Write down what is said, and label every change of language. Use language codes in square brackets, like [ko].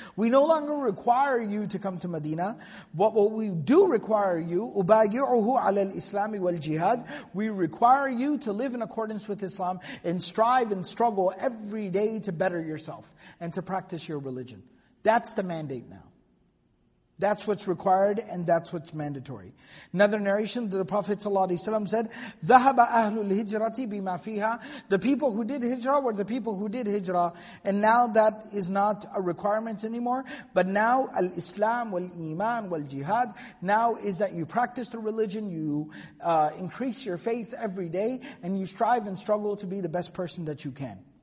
[en] We no longer require you to come to Medina. But what we do require you, [ar] أُبَايِعُهُ عَلَى الْإِسْلَامِ وَالْجِهَادِ. [en] We require you to live in accordance with Islam and strive and struggle every day to better yourself and to practice your religion. That's the mandate now. That's what's required and that's what's mandatory. Another narration, the Prophet ﷺ said, [ar] ذَهَبَ أَهْلُ الْهِجْرَةِ بِمَا فِيهَا. [en] The people who did hijrah were the people who did hijrah. And now that is not a requirement anymore. But now, al-Islam, wal-Iman, wal-Jihad, now is that you practice the religion, you increase your faith every day, and you strive and struggle to be the best person that you can.